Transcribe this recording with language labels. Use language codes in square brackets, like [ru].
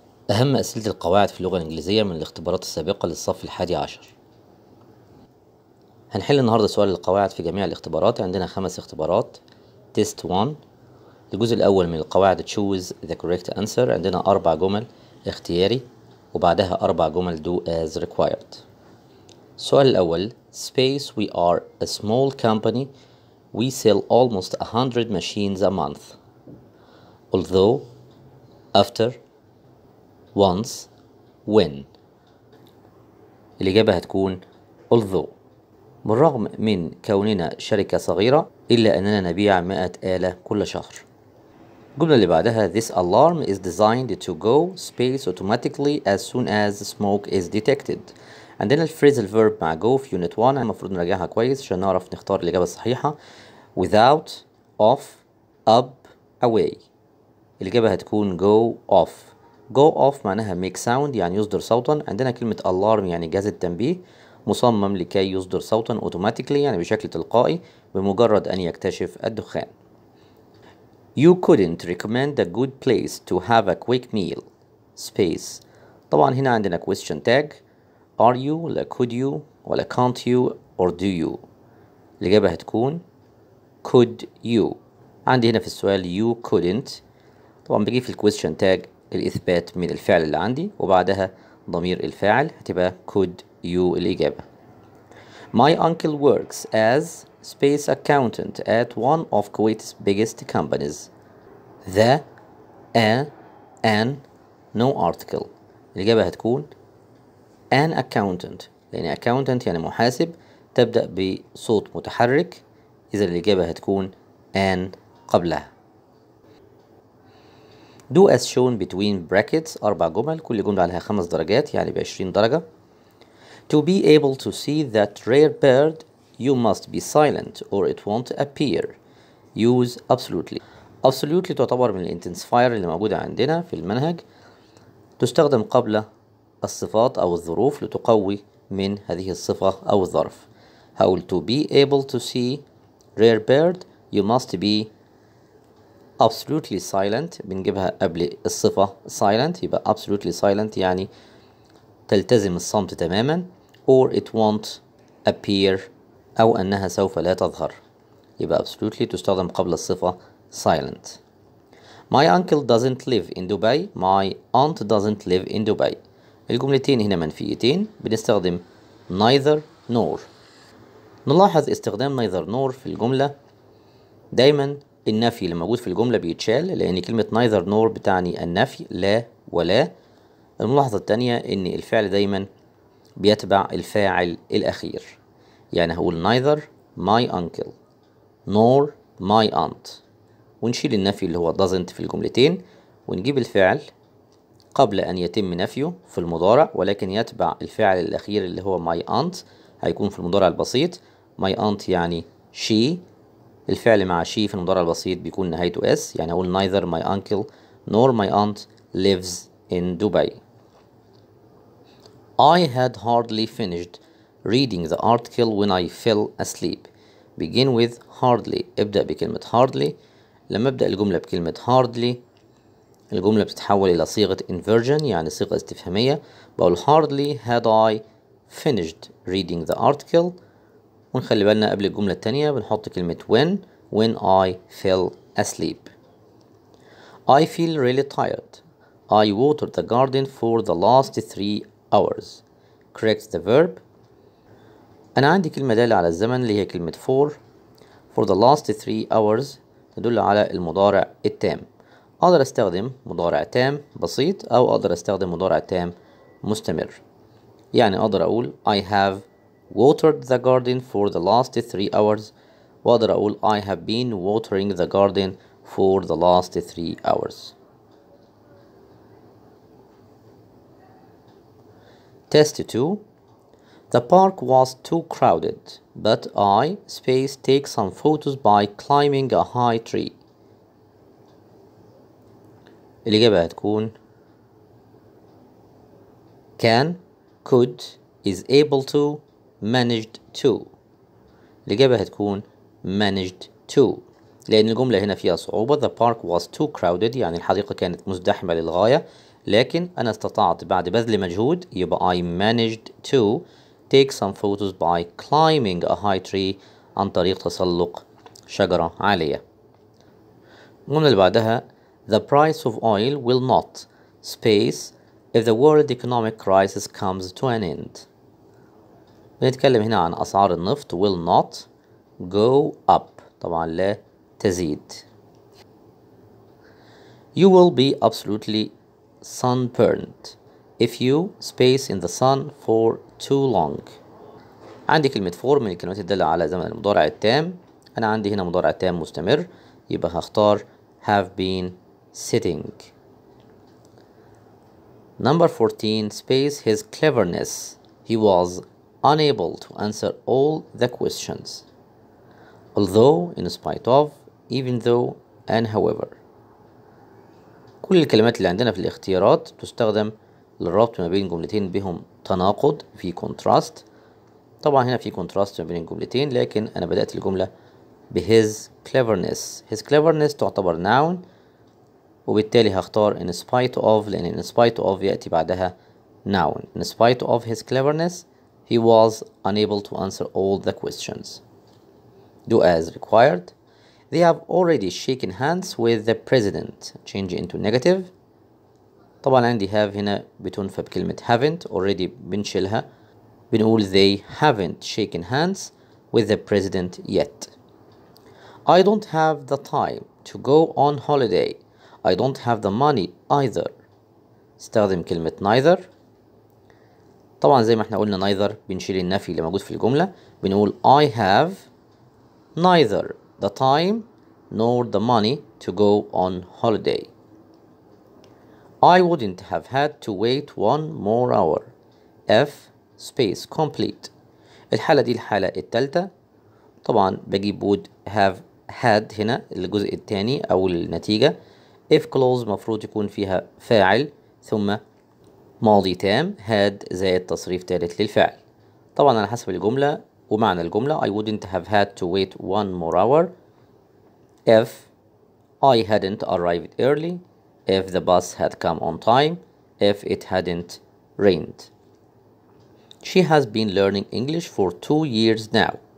[ar] أهم أسئلة القواعد في اللغة الإنجليزية من الاختبارات السابقة للصف الحادي عشر. هنحل النهاردة سؤال القواعد في جميع الاختبارات. عندنا 5 اختبارات. تيست 1، الجزء الأول من القواعد [en] choose the correct answer. [ar] عندنا 4 جمل اختياري وبعدها 4 جمل [en] do as required. السؤال الأول: space we are a small company, we sell almost 100 machines a month. Although, after, once, when. [ar] الإجابة هتكون although. بالرغم من كوننا شركة صغيرة إلا أننا نبيع 100 آلة كل شهر. الجملة اللي بعدها: [en] this alarm is designed to go space automatically as soon as smoke is detected. [ar] عندنا الفريزل فيرب مع go في unit 1، المفروض نراجعها كويس عشان نعرف نختار الإجابة الصحيحة: [en] without, off, up, away. [ar] الإجابة هتكون go off. go off معناها [en] make sound، [ar] يعني يصدر صوتا. عندنا كلمة alarm يعني جهاز التنبيه مصمم لكي يصدر صوتا automatically يعني بشكل تلقائي بمجرد أن يكتشف الدخان. [en] you couldn't recommend a good place to have a quick meal space. [ar] طبعا هنا عندنا question tag: are you ولا could you ولا [en] can't you or do you. [ar] الإجابة هتكون could you. عندي هنا في السؤال [en] you couldn't، [ar] طبعا بيجي في question tag الإثبات من الفعل اللي عندي وبعدها ضمير الفاعل، هتبقى could you الإجابة. [en] my uncle works as space accountant at one of Kuwait's biggest companies. the a an no article. [ar] الإجابة هتكون [en] an accountant، [ar] لأن accountant يعني محاسب تبدأ بصوت متحرك، إذا الإجابة هتكون an قبلها. [en] do as shown between brackets [ar] 4 جمل، كل جملة عليها 5 درجات يعني ب20 درجة. [en] to be able to see that rare bird you must be silent or it won't appear. use absolutely. [ar] absolutely تعتبر من الانتنسفاير اللي موجودة عندنا في المنهج، تستخدم قبل الصفات أو الظروف لتقوي من هذه الصفة أو الظرف. هقول [en] to be able to see rare bird you must be absolutely silent، [ar] بنجيبها قبل الصفة silent، يبقى absolutely silent يعني تلتزم الصمت تماما، [en] or it won't appear [ar] أو أنها سوف لا تظهر، يبقى absolutely تستخدم قبل الصفة silent. [en] my uncle doesn't live in Dubai، my aunt doesn't live in Dubai. [ar] الجملتين هنا منفيتين، بنستخدم neither nor. نلاحظ استخدام neither nor في الجملة دايما النفي اللي موجود في الجملة بيتشال، لأن كلمة neither nor بتعني النفي لا ولا. الملاحظة التانية إن الفعل دايما بيتبع الفاعل الأخير، يعني هقول [en] neither my uncle nor my aunt، [ar] ونشيل النفي اللي هو doesn't في الجملتين ونجيب الفعل قبل أن يتم نفيه في المضارع، ولكن يتبع الفعل الأخير اللي هو my aunt، هيكون في المضارع البسيط. my aunt يعني she، الفعل مع شي في المضارع البسيط بيكون نهايته s، يعني أقول [en] neither my uncle nor my aunt lives in Dubai. I had hardly finished reading the article when I fell asleep. begin with hardly، [ar] ابدأ بكلمة [en] hardly. [ar] لما ابدأ الجملة بكلمة hardly الجملة بتتحول إلى صيغة inversion يعني صيغة استفهامية، بقول [en] hardly had I finished reading the article، [ar] ونخلي بالنا قبل الجملة التانية بنحط كلمة [en] when I fell asleep. I feel really tired. I watered the garden for the last 3 hours. correct the verb. [ar] أنا عندي كلمة دالة على الزمن اللي هي كلمة [en] for the last 3 hours، [ar] تدل على المضارع التام. أقدر أستخدم مضارع تام بسيط أو أقدر أستخدم مضارع تام مستمر، يعني أقدر أقول [en] I have watered the garden for the last 3 hours، [ar] وأقدر أقول [en] I have been watering the garden for the last 3 hours. test 2. the park was too crowded but I space take some photos by climbing a high tree. الإجابة هتكون can could is able to managed to. [ar] الإجابة هتكون managed to، لأن الجملة هنا فيها صعوبة. [en] the park was too crowded [ar] يعني الحديقة كانت مزدحمة للغاية، لكن أنا استطعت بعد بذل مجهود. [en] يبقى I managed to take some photos by climbing a high tree, [ar] عن طريق تسلق شجرة عالية. من اللي بعدها, [en] the price of oil will not space if the world economic crisis comes to an end. [ar] بنتكلم هنا عن أسعار النفط [en] will not go up, [ar] طبعا لا تزيد. [en] You will be absolutely sunburned if you space in the sun for too long. [ar] عندي كلمة for من الكلمات الدالة على زمن المضارع التام. أنا عندي هنا مضارع تام مستمر, يبقى هختار [en] have been sitting. Number 14, space his cleverness. He was unable to answer all the questions. Although, in spite of, even though, and however. [ar] كل الكلمات اللي عندنا في الاختيارات تستخدم للربط ما بين جملتين بهم تناقض في contrast. طبعا هنا في contrast ما بين الجملتين, لكن أنا بدأت الجملة بhis cleverness. [en] His cleverness تعتبر noun, وبالتالي هختار in spite of, لأن in spite of يأتي بعدها noun. In spite of his cleverness, he was unable to answer all the questions. Do as required. They have already shaken hands with the president. Change into negative. [ar] طبعا عندي have هنا بتنفى بكلمة haven't, already بنشلها. [en] بنقول they haven't shaken hands with the president yet. I don't have the time to go on holiday. I don't have the money either. [ar] استخدم كلمة neither. طبعا زي ما احنا قلنا neither بنشيل النفي اللي موجود في الجملة. [en] بنقول I have neither the time nor the money to go on holiday. I wouldn't have had to wait one more hour if space complete. [ar] الحالة دي الحالة التالتة. طبعا بجيب [en] would have had [ar] هنا الجزء الثاني أو النتيجة. if clause مفروض يكون فيها فاعل ثم ماضي تام, had زائد تصريف ثالث للفعل. طبعا على حسب الجملة ومعنى الجملة, [en] I wouldn't have had to wait one more hour if I hadn't arrived early, if the bus had come on time, if it hadn't rained. She has been learning English for 2 years now.